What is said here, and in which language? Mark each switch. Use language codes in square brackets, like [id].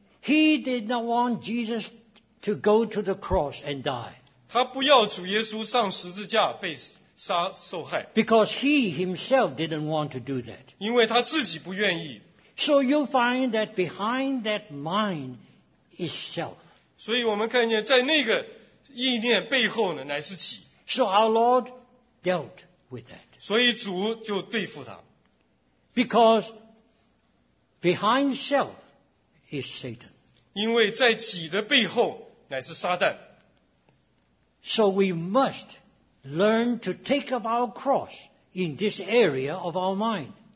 [en] He did not want Jesus to go to the cross and die. [zh] 他不要主耶稣上十字架被死。 [en] Because he himself didn't want to do that. [zh] 因为他自己不愿意。 [en] So you find that behind that mind is self. [zh] 所以我们看见在那个意念背后呢，乃是己。 [en] So our Lord dealt with that. [zh] 所以主就对付他。 [en] Because behind self is Satan. [zh] 因为在己的背后乃是撒旦。 [en] So we must learn to take up our cross in this area of our mind.